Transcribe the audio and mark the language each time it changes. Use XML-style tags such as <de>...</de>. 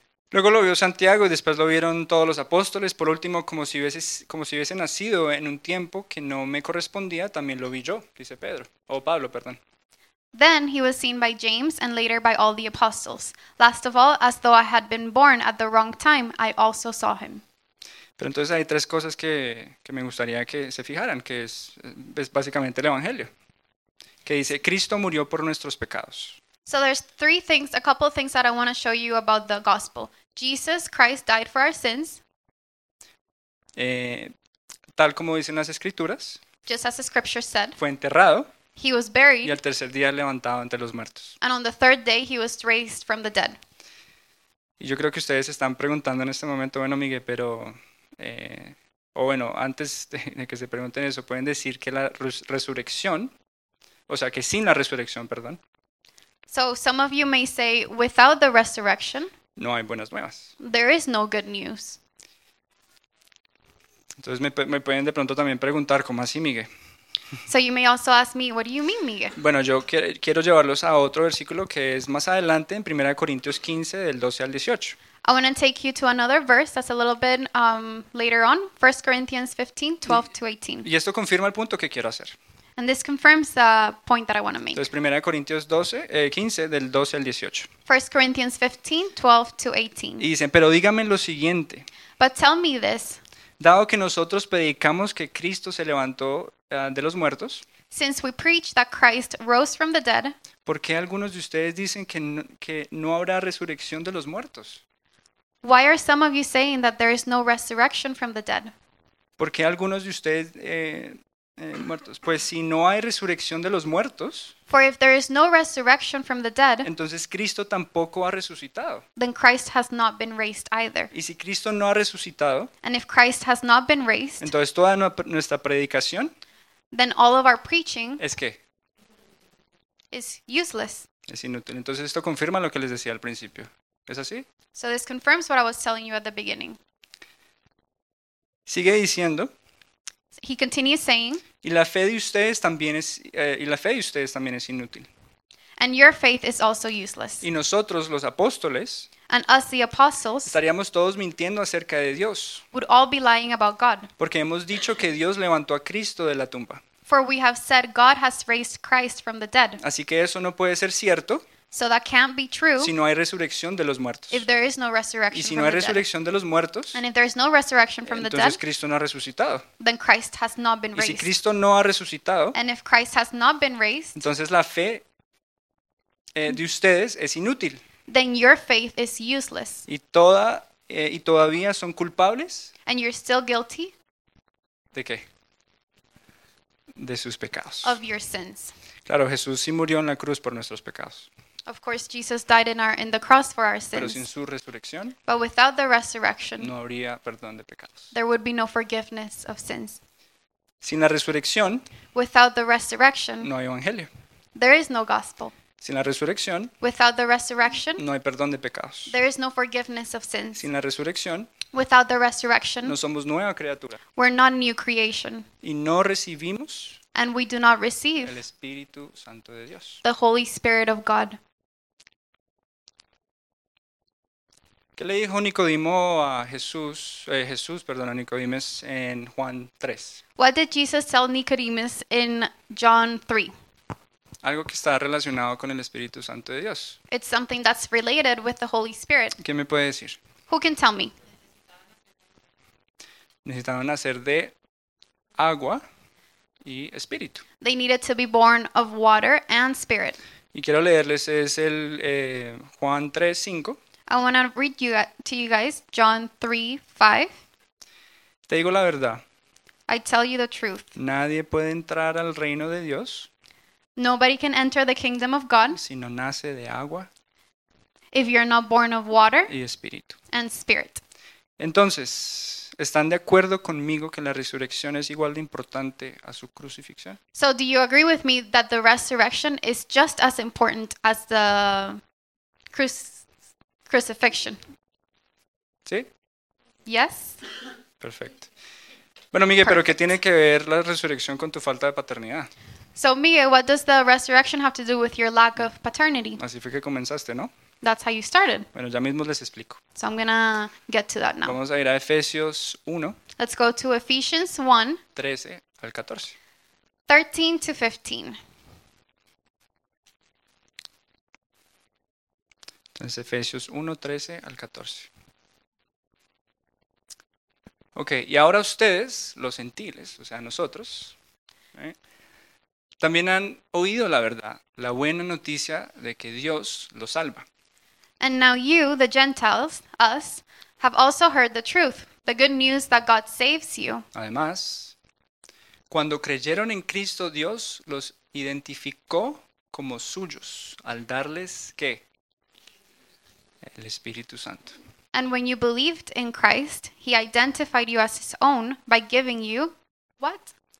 <es>Luego lo vio Santiago y después lo vieron todos los apóstoles. Por último, como si hubiese nacido en un tiempo que no me correspondía, también lo vi yo, dice Pablo.</es> <en>Then he was seen by James and later by all the apostles. Last of all, as though I had been born at the wrong time, I also saw him.</en> <es>Pero entonces hay tres cosas que me gustaría que se fijaran, que es básicamente el Evangelio, que dice Cristo murió por nuestros pecados.</es> <en>So there's a couple of things that I want to show you about the gospel. Jesus Christ died for our sins.</en> <es>Tal como dicen las escrituras.</es> <en>Just as the scripture said.</en> <es>Fue enterrado.</es> <en>He was buried.</en> <es>Y al tercer día levantado entre los muertos.</es> <en>And on the third day he was raised from the dead.</en> <es>Y yo creo que ustedes están preguntando en este momento, bueno Miguel, pero... antes de que se pregunten eso, pueden decir que la resurrección, o sea que sin la resurrección, perdón.</es> <en>So some of you may say, without the resurrection,</en> <es>no hay buenas nuevas.</es> <en>There is no good news.</en> <es>Entonces me pueden de pronto también preguntar, ¿cómo así, Miguel?</es> <en>So you may also ask me, what do you mean, Miguel?</en> <es>Bueno, yo quiero llevarlos a otro versículo que es más adelante, en 1 Corintios 15, del 12 al 18.</es> <en>I want to take you to another verse that's a little bit later on, 1 Corinthians 15, 12 to 18.</en> <es>Y esto confirma el punto que quiero hacer.</es> <en>And this confirms the point that I want to make.</en> <es>Entonces, 1 Corintios 15, del 12 al 18.</es> <en>1 Corinthians 15, 12 to 18.</en> <es>Y dicen, pero dígame lo siguiente.</es> <en>But tell me this.</en> <es>Dado que nosotros predicamos que Cristo se levantó de los muertos.</es> <en>Since we preach that Christ rose from the dead.</en> <es>¿Por qué algunos de ustedes dicen que no habrá resurrección de los muertos?</es> <en>Why are some of you saying that there is no resurrection from the dead?</en> <es>¿Por qué algunos de ustedes muertos? Pues si no hay resurrección de los muertos,</es> <en>for if there is no resurrection from the dead,</en> <es>entonces Cristo tampoco ha resucitado.</es> <en>Then Christ has not been raised either.</en> <es>Y si Cristo no ha resucitado,</es> <en>and if Christ has not been raised,</en> <es>entonces toda nuestra predicación,</es> <en>then all of our preaching,</en> <es>¿es qué?</es> <en>Is useless.</en> <es>Es inútil. Entonces esto confirma lo que les decía al principio. ¿Es así?</es> <en>So this confirms what I was telling you at the beginning.</en> <es>Sigue diciendo.</es> <en>He continues saying.</en> <es>Y la fe de ustedes también es inútil.</es> <en>And your faith is also useless.</en> <es>Y nosotros los apóstoles.</es> <en>And us the apostles.</en> <es>Estaríamos todos mintiendo acerca de Dios.</es> <en>Would all be lying about God.</en> <es>Porque hemos dicho que Dios levantó a Cristo de la tumba.</es> <en>For we have said God has raised Christ from the dead.</en> <es>Así que eso no puede ser cierto.</es> <en>So that can't be true.</en> <es>Si no hay resurrección de los muertos.</es> <en>If there is no resurrection.</en> <es>Y si no hay resurrección de los muertos.</es> <en>And if there is no resurrection from the dead.</en> <es>Entonces Cristo no ha resucitado.</es> <en>Then Christ has not been raised.</en> <es>Y si Cristo no ha resucitado.</es> <en>And if Christ has not been raised.</en> <es>Entonces la fe de ustedes es inútil.</es> <en>Then your faith is useless.</en> <es>Y toda y todavía son culpables.</es> <en>And you're still guilty.</en> <es>¿De qué? De sus pecados.</es> <en>Of your sins.</en> <es>Claro, Jesús sí murió en la cruz por nuestros pecados.</es> <en>Of course, Jesus died in the cross for our sins.</en> <es>Pero sin su resurrección,</es> <en>but without the resurrection,</en> <es>no habría perdón de pecados.</es> <en>There would be no forgiveness of sins.</en> <es>Sin la resurrección,</es> <en>without the resurrection,</en> <es>no hay evangelio.</es> <en>There is no gospel.</en> <es>Sin la resurrección,</es> <en>without the resurrection,</en> <es>no hay perdón de pecados.</es> <en>There is no forgiveness of sins.</en> <es>Sin la resurrección,</es> <en>without the resurrection,</en> <es>no somos nueva criatura.</es> <en>We're not new creation.</en> <es>Y no recibimos,</es> <en>and we do not receive,</en> <es>el Espíritu Santo de Dios.</es> <en>The Holy Spirit of God.</en> <es>¿Qué le dijo Nicodemo a Jesús? A Nicodemus en Juan 3.</es> <en>What did Jesus tell Nicodemus in John 3?</en> <es>Algo que está relacionado con el Espíritu Santo de Dios.</es> <en>It's something that's related with the Holy Spirit.</en> <es>¿Qué me puede decir?</es> <en>Who can tell me?</en> <es>Necesitaban nacer de agua y espíritu.</es> <en>They needed to be born of water and spirit.</en> <es>Y quiero leerles es el Juan 3, 5.</es> <en>I want to read you to you guys John 3, 5.</en> <es>Te digo la verdad.</es> <en>I tell you the truth.</en> <es>Nadie puede entrar al reino de Dios.</es> <en>Nobody can enter the kingdom of God.</en> <es>Si no nace de agua.</es> <en>If you're not born of water.</en> <es>Y espíritu.</es> <en>And spirit.</en> <es>Entonces, ¿están de acuerdo conmigo que la resurrección es igual de importante a su crucifixión?</es> <en>So, do you agree with me that the resurrection is just as important as the crucifixion?</en> <es>¿Sí?</es> <en>Yes.</en> <es>Perfecto. Bueno, Miguel, ¿pero qué tiene</es> <en>Perfect.</en> <es>que ver la resurrección con tu falta de paternidad?</es> <en>So, Miguel, what does the resurrection have to do with your lack of paternity?</en> <es>Así fue que comenzaste, ¿no?</es> <en>That's how you started.</en> <es>Bueno, ya mismo les explico.</es> <en>So, I'm gonna get to that now.</en> <es>Vamos a ir a Efesios 1,</es> <en>Let's go to Ephesians 1,</en> <es>13 al 14.</es> <en>13 to 15.</en> <es>Entonces, Efesios 1, 13 al 14. Ok, y ahora ustedes, los gentiles, o sea, nosotros, también han oído la verdad, la buena noticia de que Dios los salva.</es> <en>And now you, the Gentiles, us, have also heard the truth, the good news that God saves you.</en> <es>Además, cuando creyeron en Cristo, Dios los identificó como suyos al darles ¿qué? El Espíritu Santo.</es> <en>And when you believed in Christ, he identified you as his own by giving you what?</en>